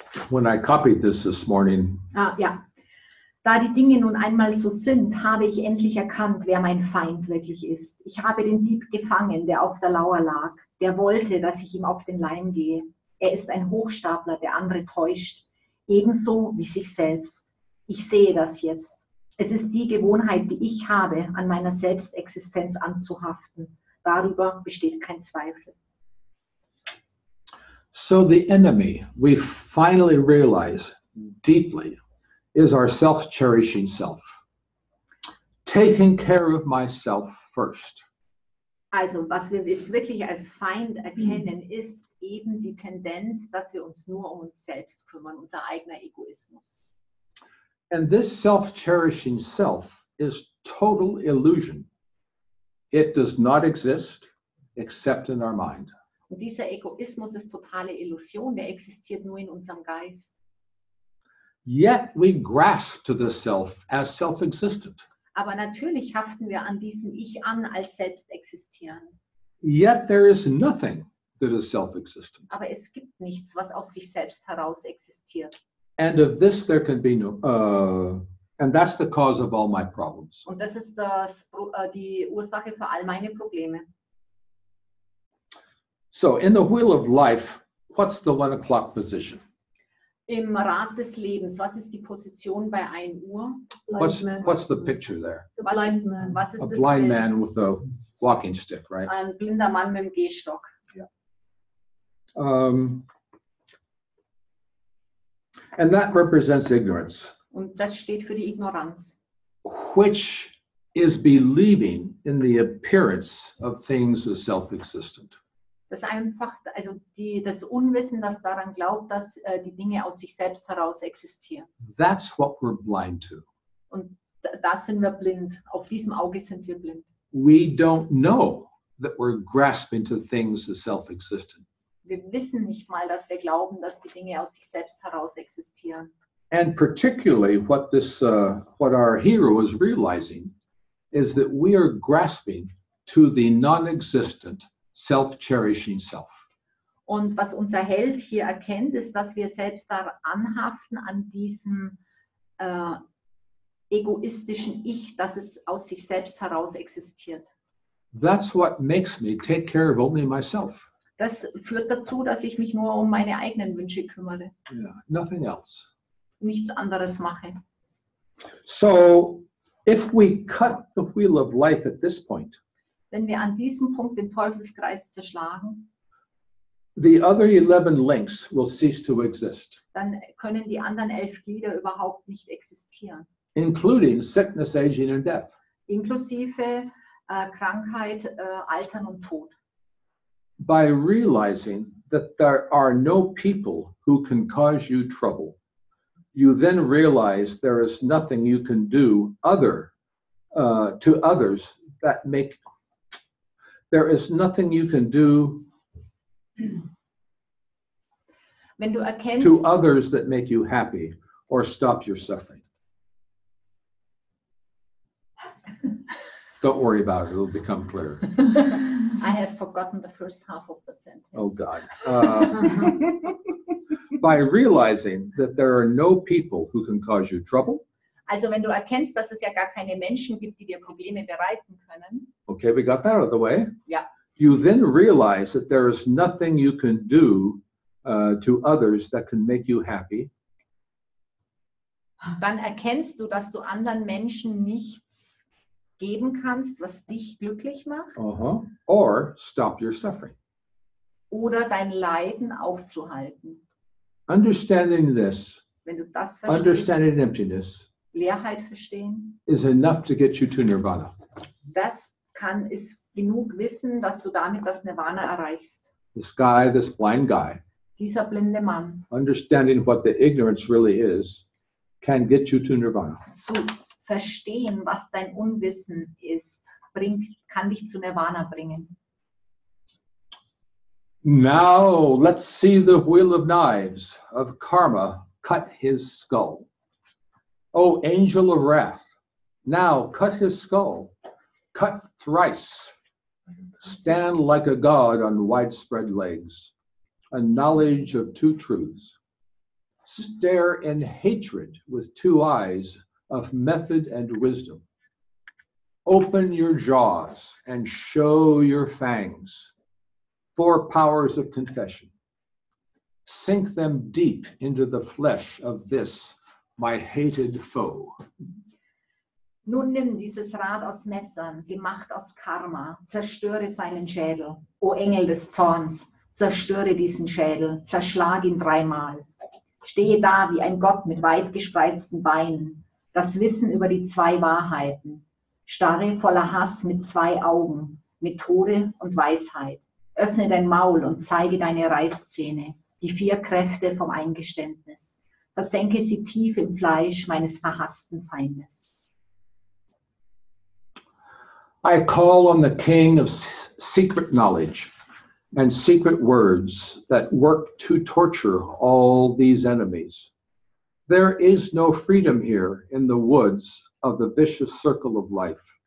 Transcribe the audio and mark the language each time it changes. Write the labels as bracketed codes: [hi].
[en] When I copied this morning. [de] Ah, ja. Da die Dinge nun einmal so sind, habe ich endlich erkannt, wer mein Feind wirklich ist. Ich habe den Dieb gefangen, der auf der Lauer lag. Der wollte, dass ich ihm auf den Leim gehe. Er ist ein Hochstapler, der andere täuscht. Ebenso wie sich selbst. Ich sehe das jetzt. Es ist die Gewohnheit, die ich habe, an meiner Selbstexistenz anzuhaften. Darüber besteht kein Zweifel. [en] So the enemy, we finally realize deeply, is our self-cherishing self. Taking care of myself first. [de] Also, was wir jetzt wirklich als Feind erkennen, ist eben die Tendenz, dass wir uns nur um uns selbst kümmern, unser eigener Egoismus. [en] And this self-cherishing self is total illusion. It does not exist except in our mind. [de] Und dieser Egoismus ist totale Illusion, der existiert nur in unserem Geist. [en] Yet we grasp to the self as self-existent. [de] Aber natürlich haften wir an diesem Ich an als selbstexistierend. [en] Yet there is nothing that is self-existent. [de] Aber es gibt nichts, was aus sich selbst heraus existiert. [en] And of this there can be no and that's the cause of all my problems. [de] Und das ist das, die Ursache für all meine Probleme. [en] So, in the Wheel of Life, what's the 1 o'clock position? [de] Im Rad des Lebens, was ist die Position bei 1 Uhr? [en] What's the picture there? [de] Was ist [en] a blind man with a walking stick, right? [de] Ein blinder Mann mit dem Gehstock. [en] And that represents ignorance. [de] Und das steht für die Ignoranz. [en] Which is believing in the appearance of things as self-existent. [de] Das einfach, also die, das Unwissen, das daran glaubt, dass die Dinge aus sich selbst heraus existieren. [en] That's what we're blind to. [de] Und das sind wir blind. Auf diesem Auge sind wir blind. [en] We don't know that we're grasping to things as self-existent. [de] Wir wissen nicht mal, dass wir glauben, dass die Dinge aus sich selbst heraus existieren. [en] And particularly what this, what our hero is realizing is that we are grasping to the non-existent self-cherishing self. [de] Und was unser Held hier erkennt, ist, dass wir selbst daran anhaften an diesem egoistischen Ich, dass es aus sich selbst heraus existiert. [en] That's what makes me take care of only myself. [de] Das führt dazu, dass ich mich nur um meine eigenen Wünsche kümmere. [en] Yeah, nothing else. [de] Nichts anderes mache. [en] So, If we cut the wheel of life at this point, [de] wenn wir an diesem Punkt den Teufelskreis zerschlagen, [en] the other 11 links will cease to exist. [de] Dann können die anderen 11 Glieder überhaupt nicht existieren. [en] Including sickness, aging and death. [de] Inklusive Krankheit, Altern und Tod. [en] By realizing that there are no people who can cause you trouble, you then realize there is nothing you can do other to others that make there is nothing you can do [de] wenn du erkennst, [en] to others that make you happy or stop your suffering. Don't worry about it, it'll become clear. I have forgotten the first half of the sentence. Oh God. By realizing that there are no people who can cause you trouble. [de] Also wenn du erkennst, dass es ja gar keine Menschen gibt, die dir Probleme bereiten können. [en] Okay, we got that out of the way. Yeah. You then realize that there is nothing you can do to others that can make you happy. [de] Dann erkennst du, dass du anderen Menschen nichts geben kannst, was dich glücklich macht. [en] Uh-huh. Or stop your suffering. [de] Oder dein Leiden aufzuhalten. [en] Understanding this, [de] wenn du das verstehst, [en] understanding emptiness, [de] Leerheit verstehen, [en] is enough to get you to Nirvana. [de] Das kann es genug wissen, dass du damit das Nirvana erreichst. [en] This guy, this blind guy, [de] dieser blinde Mann, [en] understanding what the ignorance really is, can get you to Nirvana. [de] Zu verstehen, was dein Unwissen ist, kann dich zu Nirvana bringen. [en] Now let's see the wheel of knives of karma cut his skull. O angel of wrath, now cut his skull, cut thrice, stand like a god on widespread legs, a knowledge of two truths, stare in hatred with two eyes of method and wisdom. Open your jaws and show your fangs. Four powers of confession. Sink them deep into the flesh of this, my hated foe. [de] Nun nimm dieses Rad aus Messern, gemacht aus Karma. Zerstöre seinen Schädel, o Engel des Zorns. Zerstöre diesen Schädel, zerschlag ihn dreimal. Stehe da wie ein Gott mit weit gespreizten Beinen. Das Wissen über die zwei Wahrheiten. Starre voller Hass mit zwei Augen, Methode und Weisheit. Öffne dein Maul und zeige deine Reißzähne, die vier Kräfte vom Eingeständnis. Versenke sie tief im Fleisch meines verhassten Feindes. [en] I call on the king of secret knowledge and secret words that work to torture all these enemies. There is no freedom here in the woods of the vicious circle of life.